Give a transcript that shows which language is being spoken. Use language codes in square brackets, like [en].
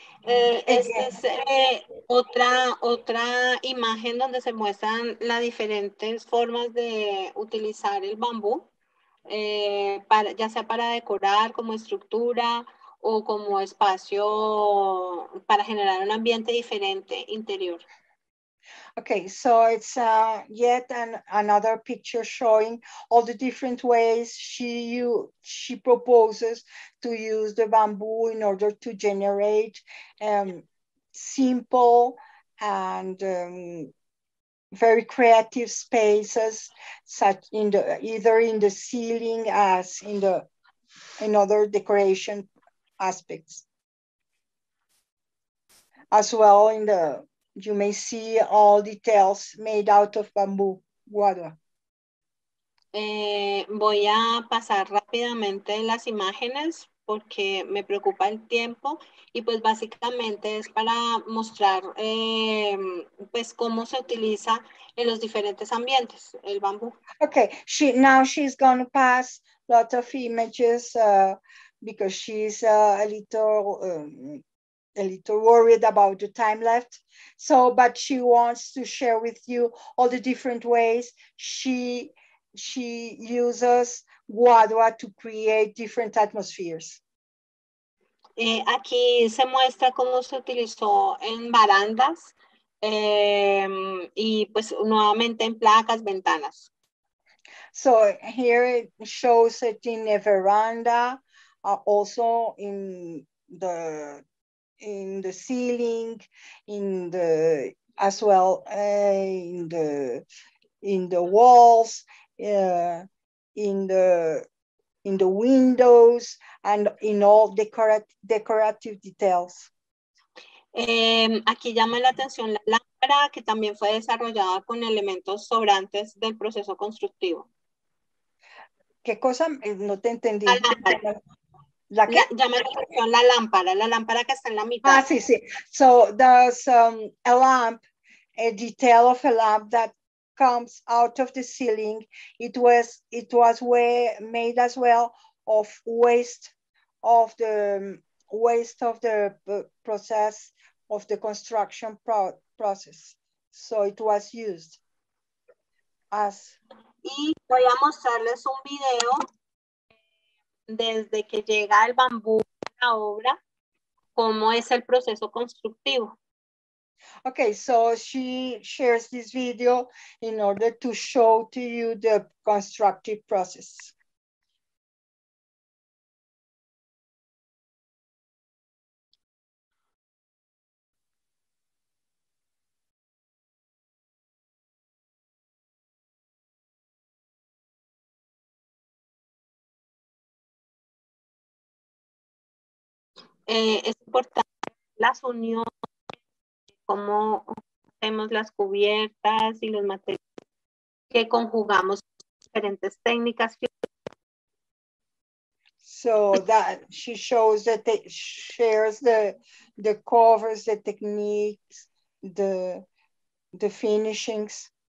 [es] Esta es otra imagen donde se muestran las diferentes formas de utilizar el bambú, para, ya sea para decorar como estructura o como espacio para generar un ambiente diferente interior. [en] Okay, so it's yet another picture showing all the different ways she proposes to use the bamboo in order to generate simple and very creative spaces, such in the either in the ceiling as in the in other decoration aspects, as well in the. You may see all details made out of bamboo. [es] Guarda. Voy a pasar rápidamente las imágenes porque me preocupa el tiempo y pues básicamente es para mostrar pues cómo se utiliza en los diferentes ambientes el bambú. [en] Okay, she's going to pass a lot of images because she's a little worried about the time left. So, but she wants to share with you all the different ways she uses guadua to create different atmospheres. [es] Aquí se muestra cómo se utilizó en barandas y pues nuevamente en placas, ventanas. [en] So here it shows it in a veranda, also in the ceiling, in the walls, in the windows, and in all decorative details. [es] Aquí llama la atención la lámpara que también fue desarrollada con elementos sobrantes del proceso constructivo. ¿Qué cosa? No te entendí. La lámpara que está en la mitad. Ah, sí, sí. [en] So there's a lamp, a detail of a lamp that comes out of the ceiling. It was made as well of waste of the process of the construction process. So it was used as. [es] Y voy a mostrarles un video. Desde que llega el bambú a la obra, ¿cómo es el proceso constructivo? [en] Okay, so she shares this video in order to show to you the constructive process. [es] Es importante las uniones, cómo hacemos las cubiertas y los materiales que conjugamos diferentes técnicas. [en] So that she shows that they shares the covers, the techniques, the finishings.